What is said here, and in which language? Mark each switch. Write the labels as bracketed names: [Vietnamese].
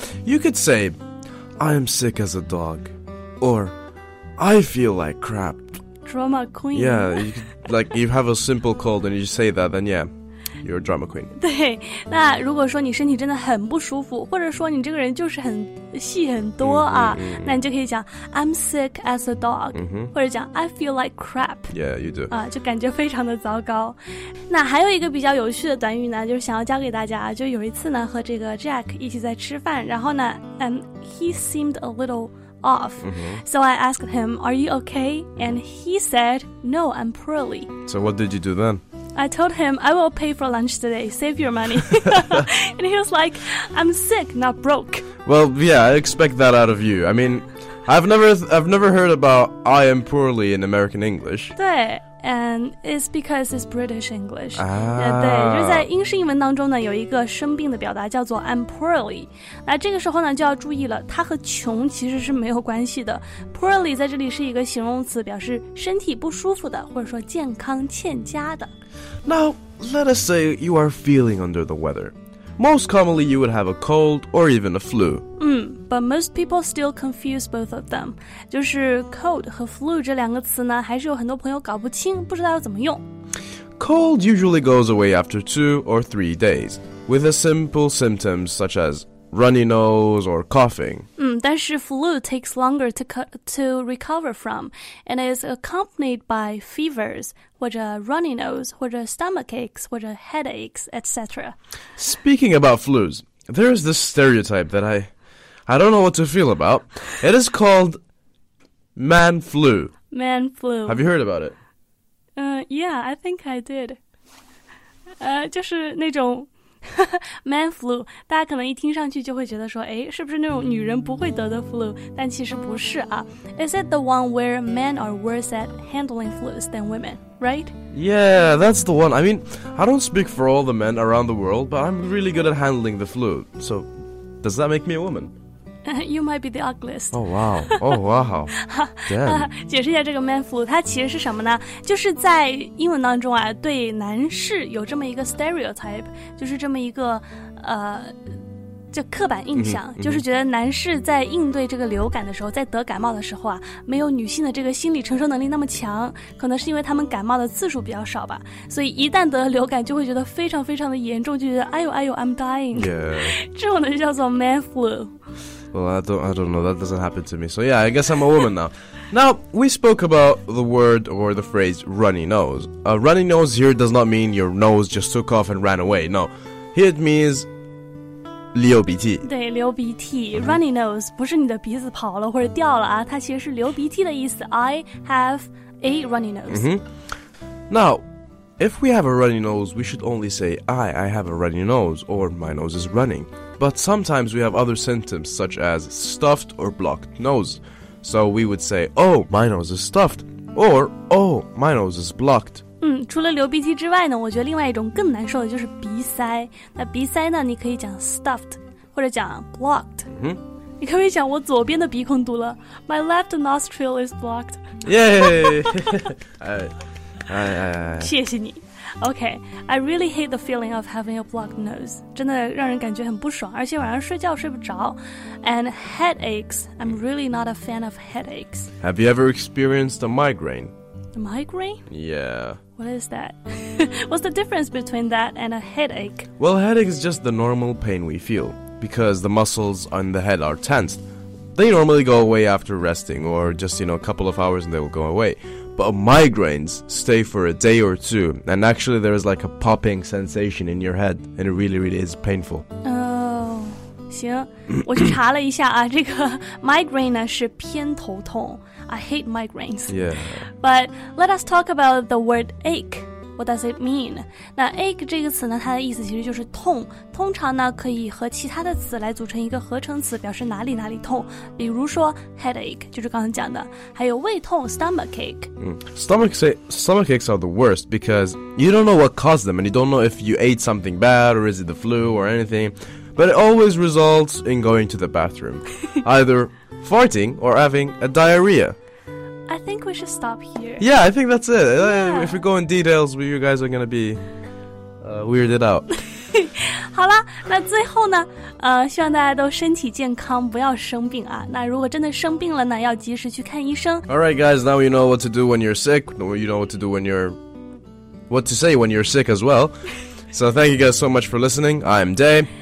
[English] You could say, I am sick as a dog, or I feel like crap. Drama queen. Yeah, like you have a simple cold and you say that, then yeah. You're a drama queen. [Chinese] 对，那如果说你身体真的很不舒服，或者说你这个人就是很戏很多啊， mm-hmm. 那你就可以讲 [English] I'm sick as a dog,、 mm-hmm. [Chinese] 或者讲 [English] I feel like crap. Yeah, you do. [Chinese] 啊，就感觉非常的糟糕。那还有一个比较有趣的短语呢，就是想要教给大家。就有一次呢，和这个 Jack 一起在吃饭，然后呢， [English] he seemed a little off.、 Mm-hmm. So I asked him, "Are you okay?" And he said, "No, I'm poorly." So what did you do then? I told him, I will pay for lunch today, save your money. And he was like, I'm sick, not broke. Well, yeah, I expect that out of you. I mean, I've never heard about I am poorly in American English. [Chinese] 对 [English] and it's because it's British English. 啊、 [Chinese] 对就是在英式英文当中呢有一个生病的表达叫做 [English] I'm poorly. [Chinese] 那这个时候呢就要注意了，它和穷其实是没有关系的。 Poorly 在这里是一个形容词，表示身体不舒服的，或者说健康欠佳的。 [English] Now, let us say you are feeling under the weather. Most commonly, you would have a cold or even a flu. But most people still confuse both of them. [Chinese] 就是 cold 和 flu 这两个词呢，还是有很多朋友搞不清，不知道要怎么用。 [English] Cold usually goes away after 2 or 3 days, with a simple symptoms such as runny nose or coughing. [Chinese] 但是 [English] flu takes longer to recover from, and is accompanied by fevers, [Chinese] 或者 [English] runny nose, 或者 stomach aches, 或者 headaches, etc. Speaking about flus, there is this stereotype that I don't know what to feel about. It is called man flu. Man flu. Have you heard about it? Yeah, I think I did. [Chinese] 就是那种Man flu, 大家可能一听上去就会觉得说，哎，是不是那种女人不会得的 flu? 但其实不是啊。 [English] Is it the one where men are worse at handling flus than women, right? Yeah, that's the one. I mean, I don't speak for all the men around the world, but I'm really good at handling the flu. So, does that make me a woman? You might be the ugliest. Oh, wow. Oh, wow. Damn. [Chinese] 解释一下这个 man flu, 它其实是什么呢？就是在英文当中啊，对男士有这么一个 stereotype, 就是这么一个就刻板印象、 mm-hmm, 就是觉得男士在应对这个流感的时候、 mm-hmm. 在得感冒的时候啊，没有女性的这个心理承受能力那么强，可能是因为他们感冒的次数比较少吧，所以一旦得流感就会觉得非常非常的严重，就觉得哎呦哎呦 [English] I'm dying、 yeah. [Chinese] 这种呢就叫做 man flu。 [English] Well, I don't know, that doesn't happen to me. So yeah, I guess I'm a woman now. Now, we spoke about the word or the phrase runny nose. A runny nose here does not mean your nose just took off and ran away. No, it means [Chinese] 流鼻涕，对，流鼻涕、mm-hmm. runny nose 不是你的鼻子跑了或者掉了啊，它其实是流鼻涕的意思。 [English] I have a runny nose、 mm-hmm. Now if we have a runny nose, we should only say I have a runny nose or my nose is running. But sometimes we have other symptoms such as stuffed or blocked nose. So we would say, oh, my nose is stuffed or oh, my nose is blocked. [Chinese] 除了流鼻涕之外呢，我觉得另外一种更难受的就是鼻塞。那鼻塞呢，你可以讲 stuffed 或者讲 blocked、 mm-hmm. 你可不可以讲我左边的鼻孔堵了？ [English] My left nostril is blocked. Yay! 哎 [Chinese] 谢谢你。 [English] OK, I really hate the feeling of having a blocked nose. [Chinese] 真的让人感觉很不爽，而且晚上睡觉睡不着。 [English] And headaches, I'm really not a fan of headaches. Have you ever experienced a migraine? A migraine? Yeah. What is that? What's the difference between that and a headache? Well, headache is just the normal pain we feel, because the muscles on the head are tensed. They normally go away after resting, or just, you know, a couple of hours and they will go away. But migraines stay for a day or two, and actually there is like a popping sensation in your head, and it really, really is painful. [Chinese] 行，我去查了一下啊，这个 migraine 呢是偏头痛。 [English] I hate migraines. Yeah. But let us talk about the word ache. What does it mean? [Chinese] 那 ache 这个词呢，它的意思其实就是痛。通常呢，可以和其他的词来组成一个合成词，表示哪里哪里痛。比如说 headache 就是刚才讲的，还有胃痛 stomachache.、 Mm. [English] Stomachaches are the worst because you don't know what caused them, and you don't know if you ate something bad or is it the flu or anything. But it always results in going to the bathroom, either farting or having a diarrhea. I think we should stop here. Yeah, I think that's it. Yeah. If we go in details, you guys are going to be、weirded out. [Chinese] 好啦，那最后呢、希望大家都身体健康，不要生病啊。那如果真的生病了呢，要及时去看医生。 [English] All right, guys, now you know what to do when you're sick. You know what to do when you're... What to say when you're sick as well. So thank you guys so much for listening. I'm Dave.